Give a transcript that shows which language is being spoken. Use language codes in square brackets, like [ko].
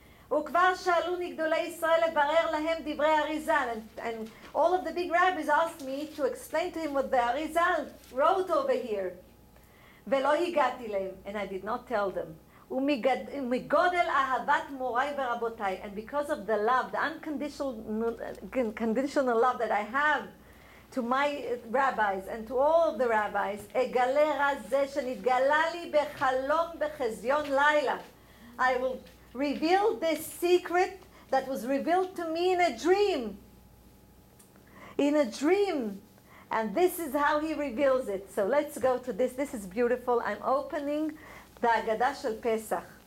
[he] וכבר שאלו נגדולי ישראל לברר להם דברי אריזל. [en] And all of the big rabbis asked me to explain to him what the אריזל wrote over here. [he] ולא הגעתי להם, [en] and I did not tell them. [he] ומגודל אהבת מוריי ורבותיי, [en] and because of the love, the unconditional love that I have to my rabbis and to all of the rabbis, [he] אגלה רזה שנתגלה לי בחלום בחזיון לילה. [en] I will reveal this secret that was revealed to me in a dream. In a dream. And this is how he reveals it. So let's go to this. This is beautiful. I'm opening the Agadah Shel Pesach.